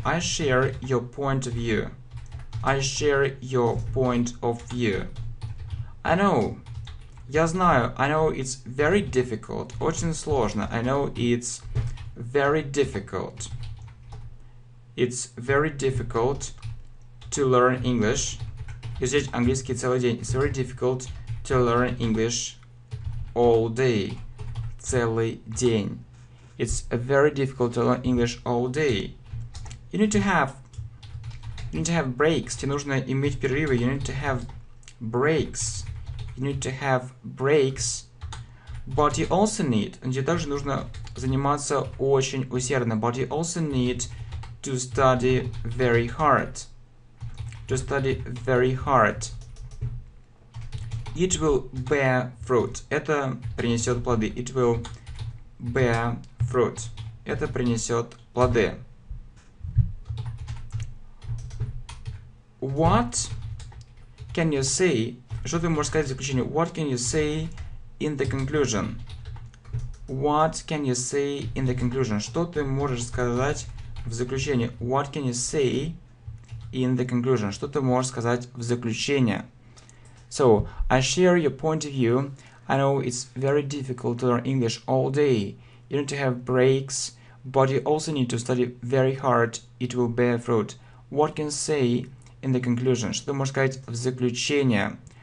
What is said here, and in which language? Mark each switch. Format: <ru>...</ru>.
<en>I share your point of view. I share your point of view. I know.</en> <ru>Я знаю.</ru> <en>I know it's very difficult.</en> <ru>Очень сложно.</ru> <en>I know it's very difficult. It's very difficult to learn English.</en> <ru>Изучать английский целый день.</ru> <en>It's very difficult to learn English all day.</en> <ru>Целый день.</ru> <en>It's very difficult to learn English all day. You need to have breaks.</en> <ru>Тебе нужно иметь перерывы.</ru> <en>You need to have breaks. You need to have breaks. But you also need.</en> <ru>Тебе также нужно заниматься очень усердно.</ru> <en>But you also need to study very hard. To study very hard. It will bear fruit.</en> <ru>Это принесет плоды.</ru> <en>It will bear fruit.</en> <ru>Это принесет плоды.</ru> <en>What can you say?</en> <ru>Что ты можешь сказать в заключение?</ru> <en>What can you say in the conclusion? What can you say in the conclusion?</en> <ru>Что ты можешь сказать в заключение?</ru> <en>What can you say in the conclusion?</en> <ru>Что ты можешь сказать в заключение?</ru> <en>So, I share your point of view. I know it's very difficult to learn English all day. You need to have breaks, but you also need to study very hard. It will bear fruit. What can you say in the conclusion?</en> <ru>Что ты можешь сказать в заключение?</ru>